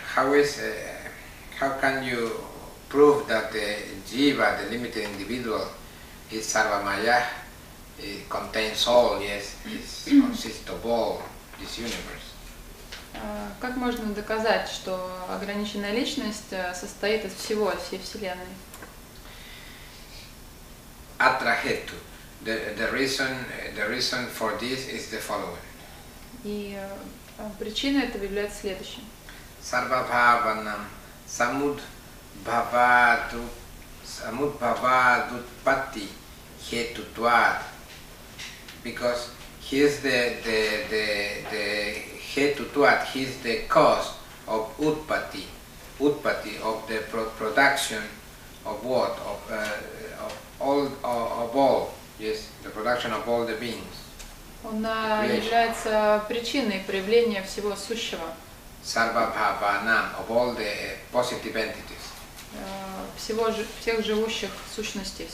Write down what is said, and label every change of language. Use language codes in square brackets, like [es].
[en] How can you prove that the jiva, the limited individual, is sarvamaya? It contains all, yes, it consists of all this universe. [ru] Как можно доказать, что ограниченная личность состоит из всего, всей Вселенной? [en] Atrahetu. The reason for this is the following. [ru] И причина этого является следующим. [sa] Sarvabhavanam samudbhavadutpatti hetutvat. [en] Because he is the hetutvat, he is the cause of utpati of the production of what of all yes, the production of all the beings. [ru] Он является причиной проявления всего сущего. [en] Sarvabhavanam of all the positive entities. [ru] Всех живущих сущностей.